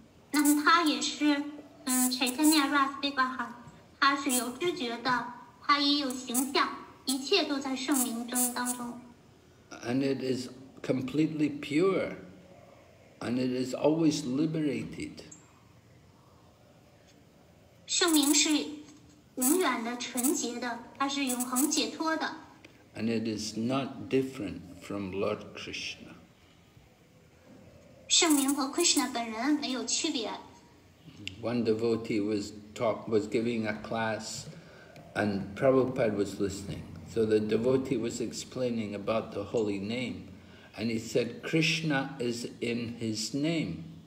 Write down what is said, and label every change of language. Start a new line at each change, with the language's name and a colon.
Chinese: 那么它也是，
Sanskrit: Chaitanya Rasa Vigraha，
Chinese: 它是有知觉的，它也有形象，一切都在圣名中当中。
English: And it is completely pure, and it is always liberated.
Chinese: 圣名是永远的纯洁的，它是永恒解脱的。
English: And it is not different from Lord Krishna.
Chinese: 圣名和 Krishna 本人没有区别。
English: One devotee was giving a class, and Prabhupada was listening. So the devotee was explaining about the holy name, and he said, "Krishna is in his name."